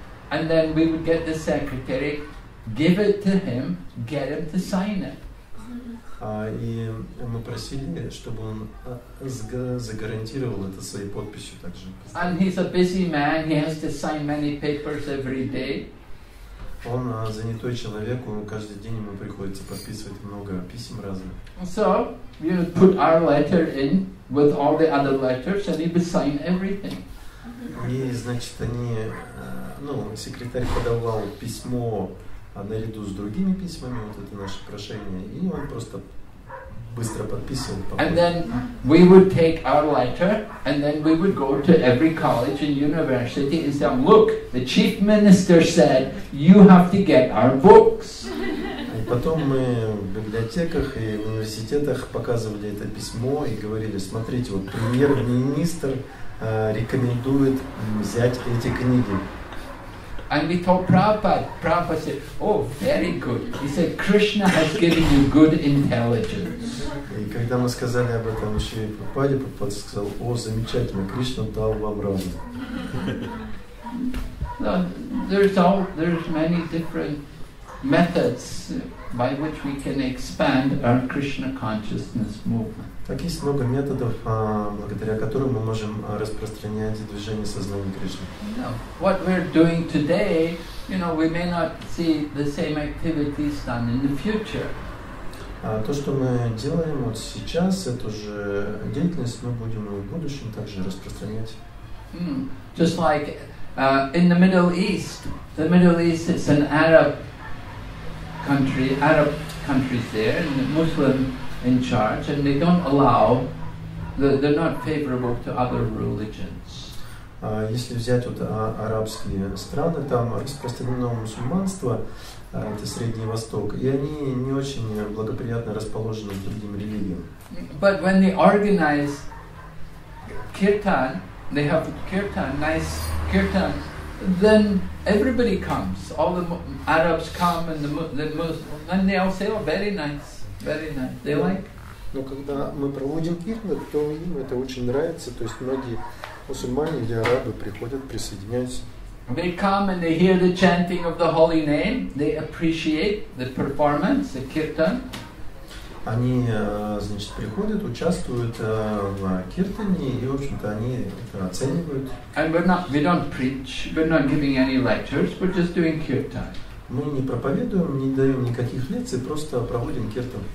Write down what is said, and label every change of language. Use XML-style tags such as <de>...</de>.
<en>And then we would get the secretary, give it to him, get him to sign it.</en> <ru>И мы просили, чтобы он загарантировал это своей подписью также.</ru> <en>And he's a busy man, he has to sign many papers every day.</en> <ru>Он занятой человек, каждый день ему приходится подписывать много писем разных.</ru> <en>So, we would put our letter in with all the other letters and he would sign everything.</en> <ru>И, значит, они, ну, секретарь подавал письмо наряду с другими письмами, вот это наше прошение, и он просто быстро подписывал.</ru> <en>And then we would take our letter, and then we would go to every college and university and say, look, the chief minister said, you have to get our books.</en> <ru>И потом мы в библиотеках и в университетах показывали это письмо и говорили, смотрите, вот премьер-министр рекомендует взять эти книги.</ru> <en>And we told Prabhupada. Prabhupada said, oh, very good. He said, Krishna has given you good intelligence.</en> <ru>И когда мы сказали об этом еще и Прабхупаде, Прабхупада сказал, о, замечательно, Кришна дал вам разум.</ru> <en>There's many different methods by which we can expand our Krishna consciousness movement.</en> <ru>Так есть много методов, благодаря которым мы можем распространять движение сознания Кришны.</ru> <en>What we're doing today, you know, we may not see the same activities done in the future.</en> <ru>То, что мы делаем вот сейчас, это же деятельность, мы будем в будущем также распространять.</ru> <en>Just like in the Middle East is an Arab countries there, and the Muslim in charge, and they don't allow, they're not favorable to other religions.</en> <ru>Если взять вот арабские страны, там распространено мусульманство, это Средний Восток, и они не очень благоприятно расположены к другим религиям.</ru> <en>But when they organize kirtan, they have kirtan, nice kirtan, then everybody comes. All the Arabs come, and the Muslims, and they all say, oh, very nice. Very nice.</en> <ru>Но когда мы проводим кирны, то им это очень нравится, то есть многие мусульмане или арабы приходят, присоединяются.</ru> <en>They come and they hear the chanting of the holy name, they appreciate the performance, the kirtan.</en> <ru>Они, значит, приходят, участвуют в киртане и, в общем-то, они это оценивают.</ru> <en>And we don't preach, we're not giving any lectures, we're just doing kirtan.</en> <ru>Мы не проповедуем, не даем никаких лекций, просто проводим киртан.</ru>